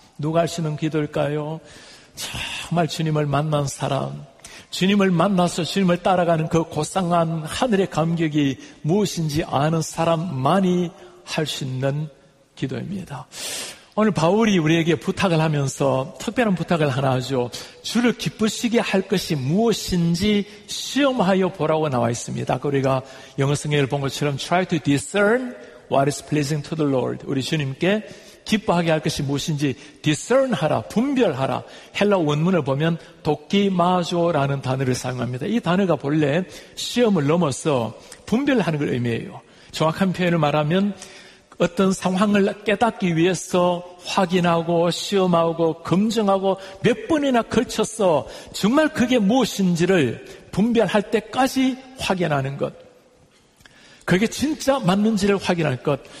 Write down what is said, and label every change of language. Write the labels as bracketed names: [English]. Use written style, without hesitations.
[Korean] 누가 할 수 있는 기도일까요? 정말 주님을 만난 사람, 주님을 만나서 주님을 따라가는 그 고상한 하늘의 감격이 무엇인지 아는 사람만이 할 수 있는 기도입니다. 오늘 바울이 우리에게 부탁을 하면서 특별한 부탁을 하나 하죠. 주를 기쁘시게 할 것이 무엇인지 시험하여 보라고 나와 있습니다. 우리가 영어성경을 본 것처럼 [English] Try to discern what is pleasing to the Lord. [Korean] 우리 주님께 기뻐하게 할 것이 무엇인지 discern하라, 분별하라. 헬라 원문을 보면 도키마조라는 단어를 사용합니다. 이 단어가 본래 시험을 넘어서 분별하는 걸 의미해요. 정확한 표현을 말하면 어떤 상황을 깨닫기 위해서 확인하고 시험하고 검증하고 몇 번이나 걸쳐서 정말 그게 무엇인지를 분별할 때까지 확인하는 것, 그게 진짜 맞는지를 확인할 것.